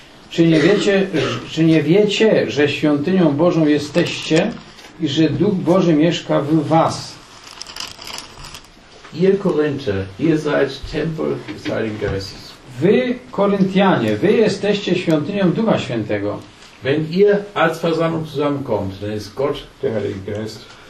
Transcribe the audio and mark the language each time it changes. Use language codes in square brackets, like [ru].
[pl] Czy nie wiecie, że świątynią Bożą jesteście i że Duch Boży mieszka w was? [de] Ihr Korinther, ihr seid Tempel des Heiligen Geistes. [pl] Wy, Koryntianie, wy jesteście świątynią Ducha Świętego. [de] Wenn ihr als Versammlung zusammenkommt, dann ist Gott der Heilige Geist.